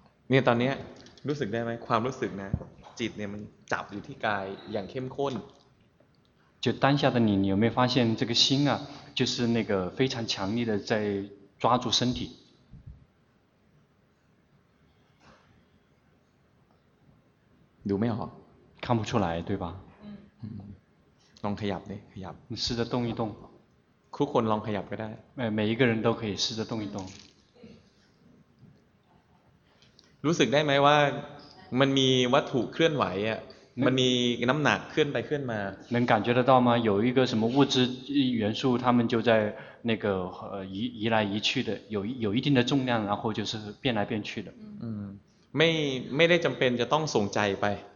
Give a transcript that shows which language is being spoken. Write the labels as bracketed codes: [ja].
[th] เนี่ยตอนนี้รู้สึกได้ไหมความรู้สึกนะจิตเนี่ยมันจับอยู่ที่กายอย่างเข้มข้น [zh] 就当下的你有没有发现这个心啊就是那个非常强力的在抓住身体有没有看不出来对吧 [th] ลองขยับดิขยับ [zh] 你试着动一动 [th] ทุกคนลองขยับก็ได้ [zh] 每一个人都可以试着动一动 [th] รู้สึกได้ไหมว่ามันมีวัตถุเคลื่อนไหวมันมีน้ำหนักเคลื่อนไปเคลื่อนมา [zh] 能感觉得到吗有一个什么物质元素它们就在那个移来移去的有一定的重量然后就是变来变去的 [th] ไม่ได้จำเป็นจะต้องส่งใจไป